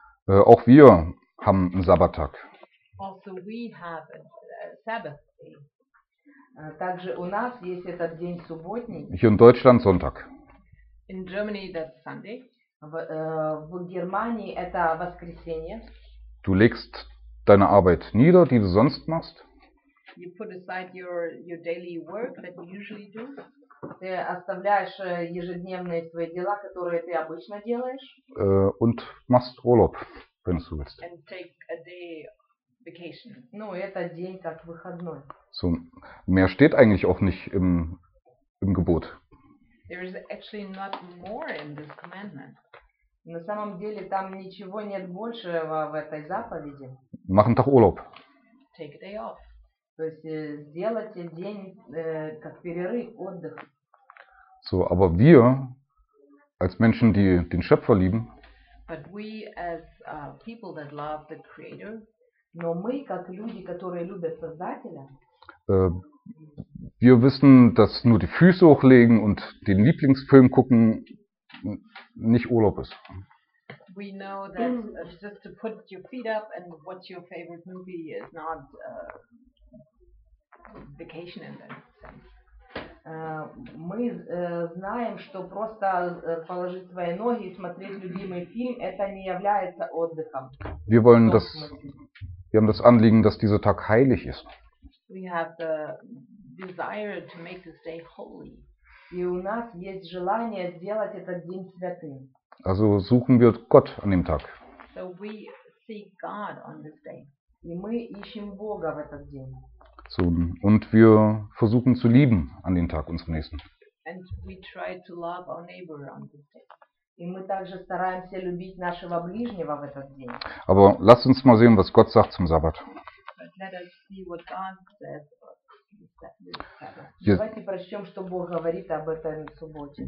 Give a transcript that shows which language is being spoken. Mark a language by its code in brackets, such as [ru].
[de] Auch wir haben einen Sabbattag. [en] Also we have a Sabbath day. [ru] Также у нас есть этот день субботний. [de] Hier in Deutschland Sonntag. [en] In Germany that's Sunday. [ru] В Германии это воскресенье. [de] Du legst deine Arbeit nieder, die du sonst machst. [en] You put aside your daily work that you usually do. [ru] Ты оставляешь ежедневные свои дела, которые ты обычно делаешь. [de] Und machst Urlaub, wenn du willst. [en] And take a day vacation. [ru] Ну, это день как выходной. [de] So, mehr steht eigentlich auch nicht im Gebot. [en] There is actually not more in this commandment. [ru] На самом деле там ничего нет больше в этой заповеди. [de] Machen doch Urlaub. [en] Take a day off. [ru] То есть сделайте день как перерыв, отдых. [de] So, aber wir als Menschen, die den Schöpfer lieben. [en] But we as people that love the Creator. [ru] Но мы как люди, которые любят Создателя. [de] Wir wissen, dass nur die Füße hochlegen und den Lieblingsfilm gucken nicht Urlaub ist. [en] We know that just to put your feet up and watch your favorite movie is not vacation in that sense. [ru] Мы знаем, что просто положить свои ноги и смотреть любимый фильм это не является отдыхом. [de] Wir wollen das. Wir haben das Anliegen, dass dieser Tag heilig ist. [en] We have the desire to make this day holy. [ru] И у нас есть желание сделать этот день святым. [de] Also suchen wir Gott an dem Tag. [en] So we seek God on this day. [ru] И мы ищем Бога в этот день. [de] So, und wir versuchen zu lieben an den Tag unseres Nächsten. [en] And we try to love our neighbor on this day. [ru] И мы также стараемся любить нашего ближнего в этот день. [de] Aber lasst uns mal sehen, was Gott sagt zum Sabbat. [en] But let us see what God says. [ru] Давайте прочтем, что Бог говорит об этом в субботе.